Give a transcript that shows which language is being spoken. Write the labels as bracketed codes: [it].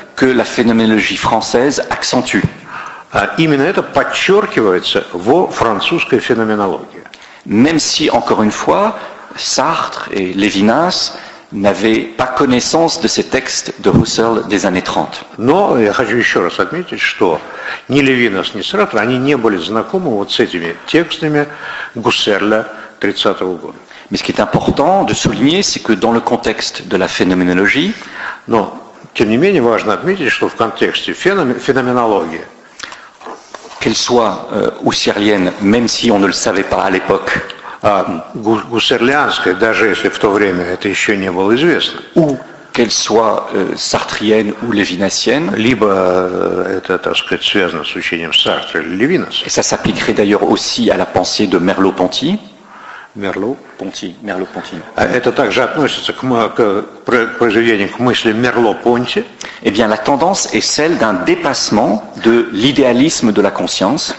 [fr] Que la phénoménologie française accentue. [ru] Именно это подчеркивается в французской феноменологии. [fr] Même si, encore une fois, Sartre et Lévinas n'avaient pas connaissance de ces textes de Husserl des années 30. [ru] Но я хочу еще раз отметить, что ни Левинас, ни Сартр, они не были знакомы вот с этими текстами Гуссерля 30-го года. [fr] Mais ce qui est important de souligner, c'est que dans le contexte de la phénoménologie, [ru] но, тем не менее, важно отметить, что в контексте феноменологии, [fr] qu'elle soit husserlienne, même si on ne le savait pas à l'époque, [ru] гуссерлианская, даже если в то время это еще не было известно, [fr] ou qu'elle soit sartrienne ou lévinassienne, [ru] либо это, так сказать, связано с учением Сартра или Левинаса. [fr] Et ça s'appliquerait d'ailleurs aussi à la pensée de Merleau-Ponty. Merleau-Ponty. [ru] Это также относится к произведению, к мысли Merleau-Ponty. [fr] Eh bien, la tendance est celle d'un dépassement de l'idéalisme de la conscience.